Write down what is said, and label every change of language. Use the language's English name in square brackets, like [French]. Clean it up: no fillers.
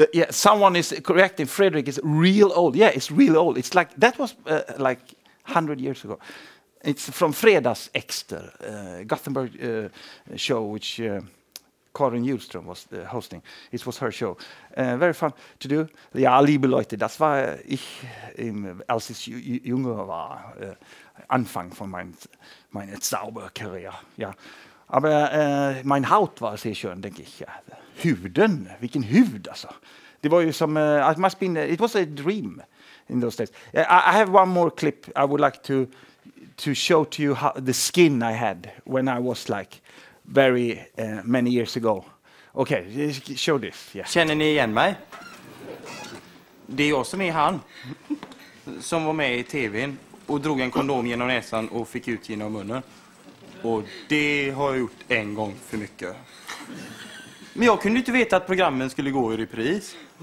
[English] Someone is correcting. Frederick is real old. Yeah, it's real old. It's like that was like 100 years ago. It's from Fredas Exter, Gothenburg show, which Karin Hjulström was hosting. It was her show. Very fun to do. [German] Ja, liebe Leute, das war ich im, als ich jünger war, Anfang von meine Zauberkarriere. Ja, aber mein Haut war sehr schön, denke ich. [Swedish] Huden, vilken hud alltså. Det var ju som, [English] it was a dream in those days. I have one more clip I would like to show to you how the skin I had when I was like very many years ago. Okay, show this. Yeah. [Swedish] Känner ni igen mig? Det är jag som är han som var med I tv:n och drog en kondom genom näsan och fick ut genom munnen. Och det har jag gjort en gång för mycket. Men jag kunde inte veta att programmen skulle gå I repris.